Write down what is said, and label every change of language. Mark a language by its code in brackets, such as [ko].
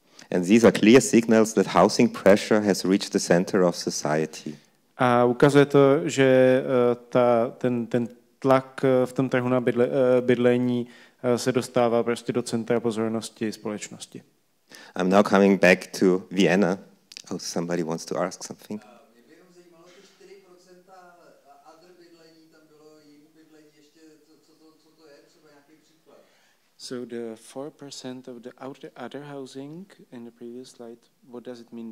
[en] And these are clear signals that housing pressure has reached the center of society. [cs] A ukazuje to, že ten tlak v tom trhu na bydlení se dostává prostě do centra pozornosti společnosti. [en] I'm now coming back to Vienna. Oh, somebody wants to ask something. So the 4% of the other housing in the previous slide, what does it mean?